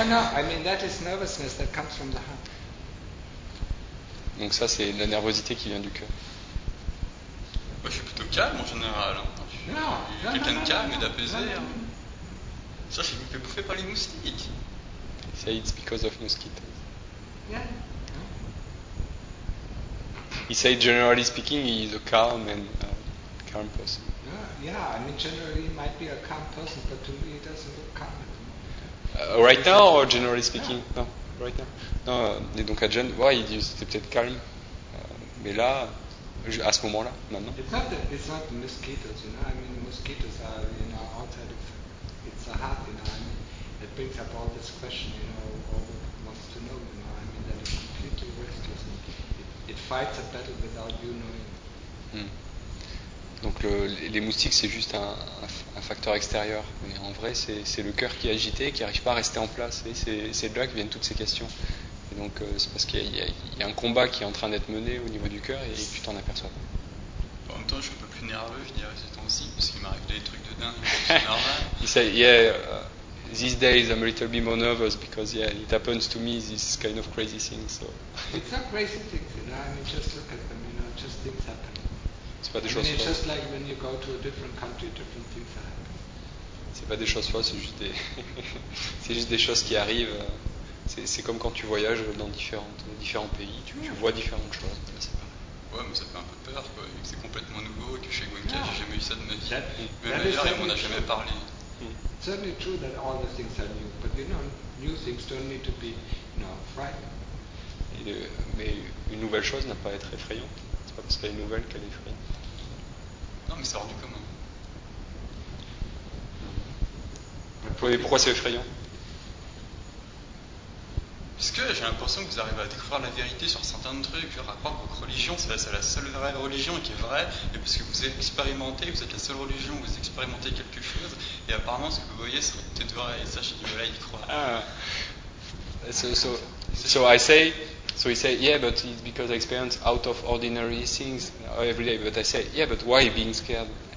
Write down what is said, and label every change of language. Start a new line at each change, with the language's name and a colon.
English: I mean, that is nervousness that comes from the heart.
French: Donc ça, c'est la nervosité qui vient du cœur. Moi, je suis plutôt calme en général. Hein. Non, quelqu'un non, de calme non, et d'apaisé. Non. Ça, c'est que vous êtes bouffé par les moustiques.
English: Say it's because of mosquitoes. Yeah. He said generally speaking, he is a calm and calm person. Yeah, yeah. I mean, generally, he might be a calm person, but to me, he doesn't look calm. Right now, or generally speaking, non. No. Right now. Non.
French: Et donc, à John, ouais, il dit, c'était peut-être calme, mais là. À ce moment-là, maintenant.
English: It's not the mosquitoes, you know. I mean, the mosquitoes are, you know, outside of it's a heart, you know. I mean, it brings up all this question, you know, all it wants to know, you know. I mean, that it's completely restless. It fights a battle without you knowing.
French: Donc les moustiques, c'est juste un facteur extérieur. Mais en vrai, c'est le cœur qui est agité, qui n'arrive pas à rester en place. Et c'est de là que viennent toutes ces questions. Et donc c'est parce qu'il y a un combat qui est en train d'être mené au niveau du cœur et tu t'en aperçois pas. En même temps, je suis un peu plus nerveux, je dirais, ces temps-ci, parce qu'il m'arrive des trucs de dingue, c'est normal. Il dit,
English: yeah, these days I'm a little bit more nervous because yeah, it happens to me these kind of crazy things. So. It's not crazy things, you know. I mean, just look at them, you know, just things happen.
French: C'est pas des choses.
English: I mean, it's just like when you go to a different country, different things happen.
French: C'est pas des choses folles, c'est juste des choses qui arrivent. C'est comme quand tu voyages dans différents pays, tu vois différentes choses. Là, c'est pareil. Ouais, mais ça fait un peu peur, quoi. C'est complètement nouveau, et que chez Gwenka, j'ai jamais eu ça de ma vie. Mais d'ailleurs, on n'a jamais parlé.
English: It's certainly true that all the things are new, but you know, new things don't need to be, you know, frightening.
French: Mais une nouvelle chose n'a pas à être effrayante. C'est pas parce qu'elle est nouvelle qu'elle est effrayante. Non, mais c'est hors du commun. Pourquoi c'est effrayant? Parce que j'ai l'impression que vous arrivez à découvrir la vérité sur certains trucs, à croire votre religion, c'est la seule vraie religion qui est vraie, et parce que vous avez expérimenté, vous êtes la seule religion où vous expérimentez quelque chose, et apparemment ce que vous voyez serait peut-être vrai, et ça j'ai du mal à y croire.
English: So he said, yeah, but it's because I experience out of ordinary things every day, but I said, yeah, but why being scared?